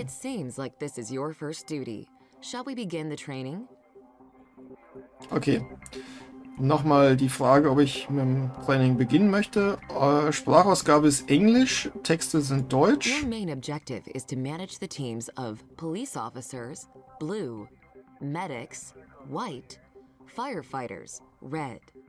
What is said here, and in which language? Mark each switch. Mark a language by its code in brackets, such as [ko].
[en] It seems like this is your first duty. Shall we begin the training? Okay. [de] Nochmal die Frage, ob ich mit dem Training beginnen möchte. Sprachausgabe ist Englisch, Texte sind Deutsch. [en] Your main objective is to manage the teams of police officers, blue, medics, white, firefighters, red.